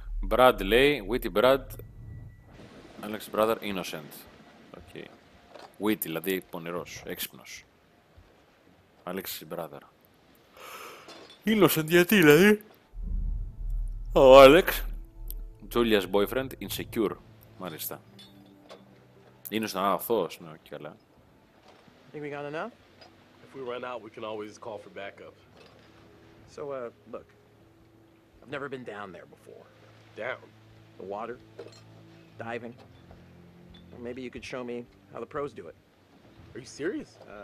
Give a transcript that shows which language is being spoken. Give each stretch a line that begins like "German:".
English: Brad
Greek: λέει,
English: witty Brad, Alex brother, innocent. Okay. Witty,
Greek: δηλαδή πονηρός, έξυπνος.
English: Alex brother.
Greek: Innocent, γιατί δηλαδή.
English: Ο Alex, Julia's boyfriend, insecure,
Greek: μάλιστα.
English: Innocent,
Greek: αθώος, ναι, όχι καλά.
English: Think we got enough? If we run out, we can always call for backup. So, look, I've never been down there before. Down the water, diving. Or maybe you could show me how the pros do it. Are you serious?